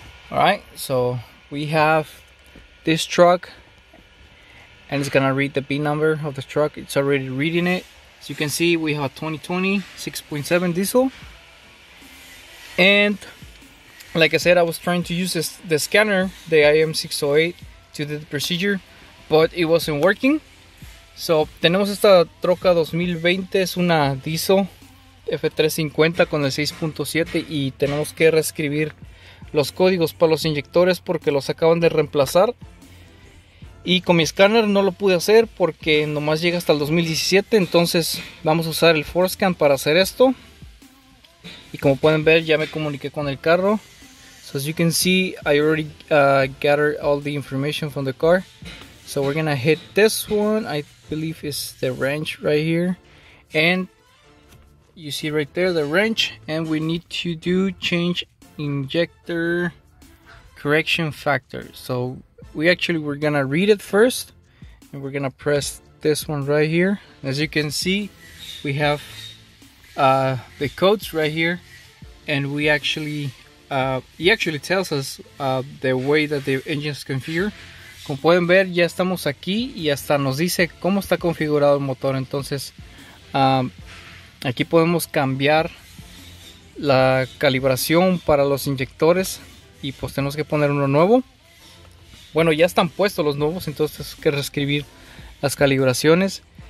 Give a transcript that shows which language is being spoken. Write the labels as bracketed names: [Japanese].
[English] All right, so we have this truck and it's gonna read the B number of the truck. It's already reading it. So you can see we have 2020 6.7 diesel. And like I said, I was trying to use the scanner, the IM608, to do the procedure, but it wasn't working. [Spanish] So, tenemos esta troca 2020, es una diesel F350 con el 6.7, y tenemos que reescribir los códigos para los inyectores porque los acaban de reemplazar. Y con mi scanner no lo pude hacer porque nomás llega hasta el 2017, entonces vamos a usar el Forscan para hacer esto. Y como pueden ver, ya me comuniqué con el carro. [English] So as you can see, I already gathered all the information from the car. So we're gonna hit this one. I believe it's the wrench right here. And you see right there the wrench. And we need to do change injector correction factor. So we actually, we're gonna read it first. And we're gonna press this one right here. As you can see, we have the codes right here. And we actually... he actually tells us the way that the engine is configured. [Spanish] Como pueden ver, ya estamos aquí y hasta nos dice cómo está configurado el motor. Entonces, aquí podemos cambiar la calibración para los inyectores y pues tenemos que poner uno nuevo. Bueno, ya están puestos los nuevos, entonces hay que reescribir las calibraciones.